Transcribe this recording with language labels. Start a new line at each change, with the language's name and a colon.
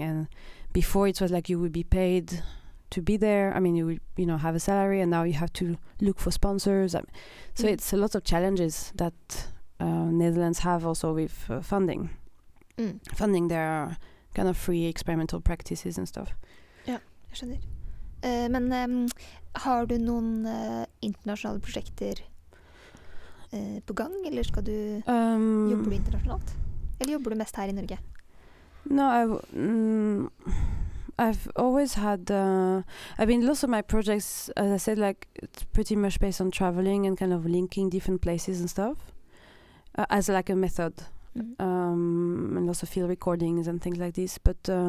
English: And before it was like you would be paid to be there. I mean, you would, you know, have a salary, and now you have to look for sponsors. So it's a lot of challenges that Netherlands have also with funding their kind of free experimental practices and stuff.
Norwegian: Yeah, jeg skjønner. Men har du noen internasjonale prosjekter på gang, eller skal du jobber du internasjonalt, eller jobber du mest her I Norge?
English: No, I've always had. I mean, lots of my projects, as I said, like it's pretty much based on traveling and kind of linking different places and stuff as like a method, and lots of field recordings and things like this. But